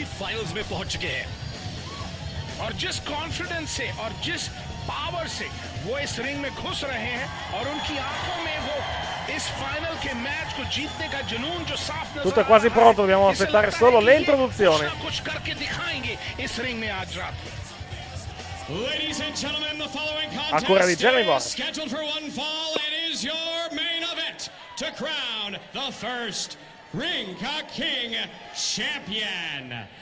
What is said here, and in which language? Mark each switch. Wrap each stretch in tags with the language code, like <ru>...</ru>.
<hi>और जिस कॉन्फिडेंस से और जिस पावर से वो इस रिंग में घुस रहे हैं और उनकी आंखों में वो इस फाइनल के मैच को जीतने का जुनून जो साफ नजर</hi> <it>tutto quasi pronto, dobbiamo aspettare solo le introduzioni.</it> <hi>कुछ करके दिखाएंगे इस रिंग में आज रात.</hi> <en>Ladies and gentlemen, the following contest is scheduled for one fall. It is your main event to crown the first Rinka King champion.</en>